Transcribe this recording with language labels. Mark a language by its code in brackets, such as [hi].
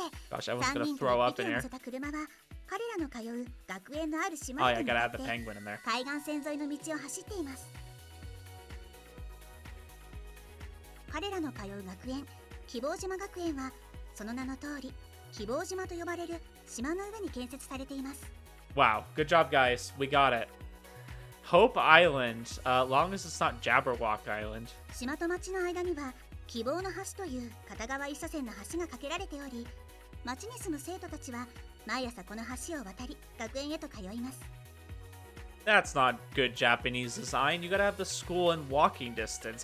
[en] Gosh, I was gonna throw up in here. Oh yeah, I gotta add the penguin in there. [ja] 海岸線沿いの道を走っています。彼らの通う学園、希望島学園は、その名の通り、希望島と呼ばれる島の上に建設されています。 [en] Wow, good job, guys. We got it. Hope Island, long as it's not Jabberwock Island. [ja] 島と町の間には、希望の橋という片側一車線の橋が架けられており、町に住む生徒たちは、毎朝この橋を渡り、学園へと通います。 [en] That's not good Japanese design. You gotta have the school in walking distance.